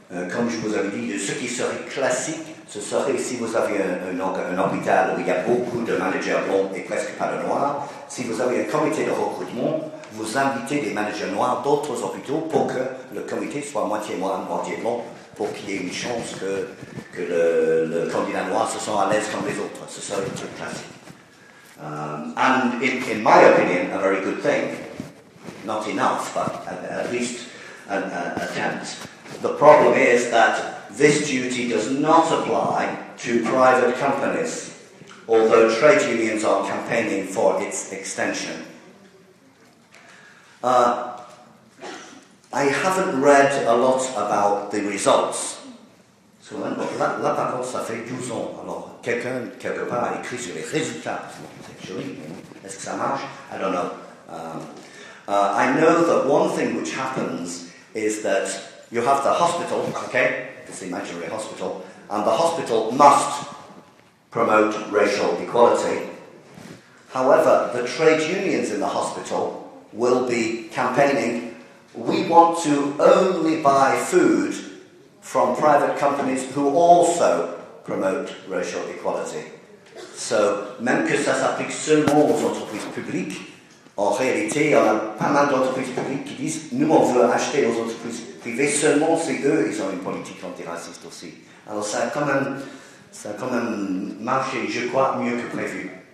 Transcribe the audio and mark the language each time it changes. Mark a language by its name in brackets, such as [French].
[French] Comme je vous avais dit, ce qui serait classique, ce serait si vous avez un hôpital où il y a beaucoup de managers blancs et presque pas de noirs, si vous avez un comité de recrutement, vous invitez des managers noirs d'autres hôpitaux pour que le comité soit moitié noir, moitié blanc, pour qu'il y ait une chance que le candidat noir se sent à l'aise comme les autres. Ce serait un truc classique. [English] And in my opinion, a very good thing. Not enough, but at least an attempt. The problem is that this duty does not apply to private companies, although trade unions are campaigning for its extension. I haven't read a lot about the results. [French] So, là, par contre, ça fait 12 ans. Alors, quelqu'un, quelque part, a écrit sur les résultats. C'est joli. Est-ce que ça marche? [English] I don't know. I know that one thing which happens is that you have the hospital, okay, this imaginary hospital, and the hospital must promote racial equality. However, the trade unions in the hospital will be campaigning, we want to only buy food from private companies who also promote racial equality. [French] So, même que ça s'applique seulement aux entreprises publiques, en réalité, il y en a pas mal d'entreprises publiques qui disent « Nous, on veut acheter aux entreprises privées seulement si eux, ils ont une politique antiraciste aussi. » Alors, ça a quand même marché, je crois, mieux que prévu.